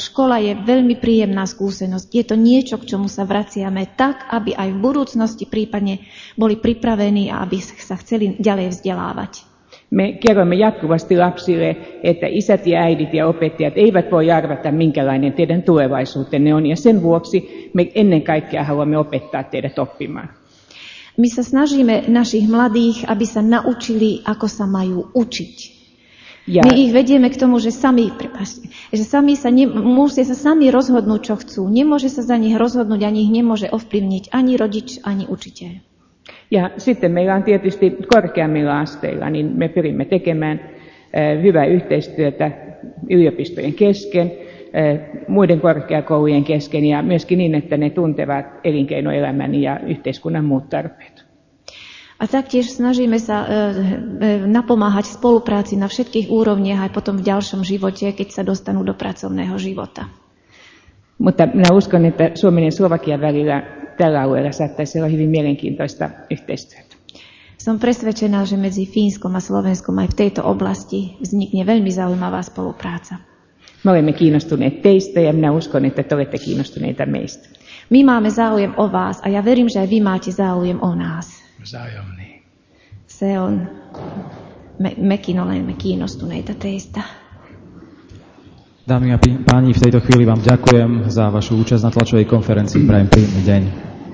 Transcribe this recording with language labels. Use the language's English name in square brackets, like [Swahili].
[Slovak] Škola je veľmi príjemná skúsenosť. Je to niečo, k čomu sa vraciame tak, aby aj v budúcnosti prípadne boli pripravení a aby sa chceli ďalej vzdelávať. [Finnish] Me kerromme jatkuvasti lapsille, että isät ja äidit ja opettajat eivät voi arvata, minkälainen teidän tulevaisuutenne on, ja sen vuoksi me ennen kaikkea haluamme opettaa teidät oppimaan. [Slovak] Me sa snažíme našich mladých, aby sa naučili, ako sa majú učiť. My ich vedieme k tomu, musia sa sami rozhodnúť, čo chcú. Nemôže sa za nich rozhodnúť, ani ich nemôže ovplyvniť ani rodič, ani učiteľ. [Finnish] Ja sitten meillä on tietysti korkeammilla asteilla, niin me pyrimme tekemään hyvää yhteistyötä yliopistojen kesken. muiden korkeakoulujen kesken ja myöskin niin, että ne tuntevat elinkeinoelämän ja yhteiskunnan muut tarpeet. [Slovak] A taktiež snažíme sa napomáhať spolupráci na všetkých úrovniach aj potom v ďalšom živote, keď sa dostanú do pracovného života. [Finnish] Mutta minä uskon, että Suomen ja Slovakian välillä tällä alueella saattaisi olla hyvin mielenkiintoista yhteistyötä. [Slovak] Som presvedčená, že medzi Fínskom a Slovenskom aj v tejto oblasti vznikne veľmi zaujímavá spolupráca. [Finnish] Me olemme kiinnostuneet teistä ja minä uskon, että te olette kiinnostuneita meistä. [Slovak] My máme záujem o vás a ja verím, že aj vy máte záujem o nás. Vzájomný. [Finnish] Se on. Mekin olemme kiinnostuneita teistä. [Slovak] Dámy a páni, v tejto chvíli vám ďakujem za vašu účasť na tlačovej konferencii. Prajem príjemný deň.